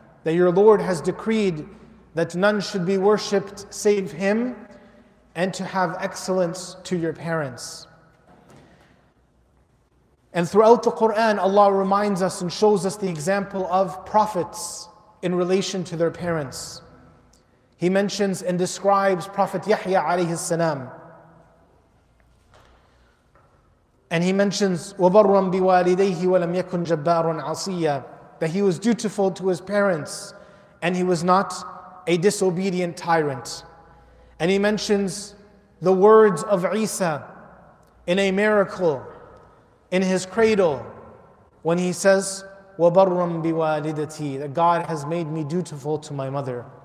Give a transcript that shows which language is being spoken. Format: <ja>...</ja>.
<en>That your Lord has decreed that none should be worshipped save Him, and to have excellence to your parents. And throughout the Quran, Allah reminds us and shows us the example of prophets in relation to their parents. He mentions and describes Prophet Yahya alayhi salam. And he mentions,</en> <ar>وَبَرًّا بِوَالِدَيْهِ وَلَمْ يَكُنْ جَبَّارٌ عَصِيًّا.</ar> <en>That he was dutiful to his parents, and he was not a disobedient tyrant. And he mentions the words of Isa in a miracle in his cradle when he says,</en> <ar>وَبَرًّا بِوَالِدَتِي,</ar> <en>that God has made me dutiful to my mother.</en>